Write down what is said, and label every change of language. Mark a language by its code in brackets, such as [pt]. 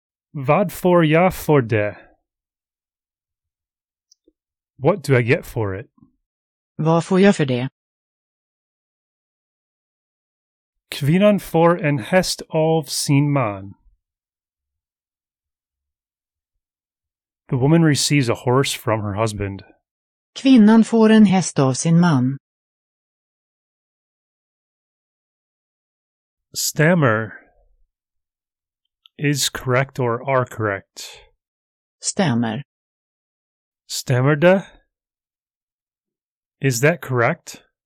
[sv] Vad får jag för det? [en] What do I get for it? [sv] Vad får jag för det? Kvinnan får en häst av sin man. [en] The woman receives a horse from her husband. [sv] Kvinnan får en häst av sin man. [en] Stammer. Is correct or are correct. [sv] Stammer. [en] Stammerde. Is that correct?